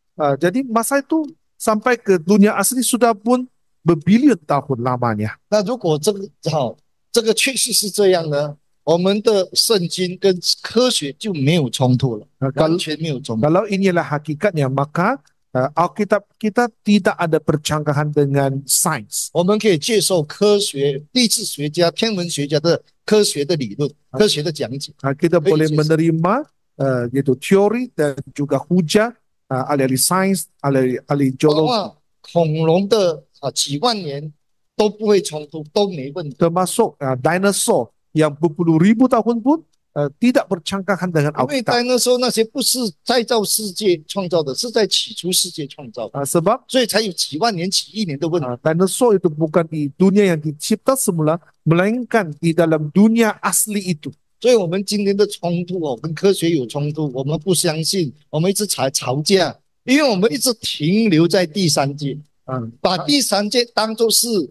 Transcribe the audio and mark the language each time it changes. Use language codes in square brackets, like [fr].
[ms] Jadi masa itu sampai ke dunia asli sudah pun berbilion tahun lamanya. [zh] 那如果这个确实是这样呢？我们的圣经跟科学就没有冲突了，完全没有冲突。 [ms] Kalau inilah hakikatnya, maka Alkitab kita tidak ada percangkahan dengan sains. [zh] 我们可以接受科学、地质学家、天文学家的科学的理论、科学的讲解。 [ms] Kita boleh menerima yaitu teori dan juga hujah ahli-ahli sains, ahli-ahli geologi. [zh] 恐龙的几万年都不会冲突，都没问题。 [ms] Termasuk dinosaur yang berpuluh ribu tahun pun tidak bercangkahan dengan Alkitab. [zh] 因为 dinosaur 那些不是再造世界创造的，是在起初世界创造的。 [ms] Sebab, [zh] 所以才有几万年、几亿年的问题。 [ms] Dinosaur itu bukan di dunia yang dicipta semula, melainkan di dalam dunia asli itu. [zh] 所以我们今天的冲突哦，跟科学有冲突，我们不相信，我们一直吵架，因为我们一直停留在第三界，把第三界当作是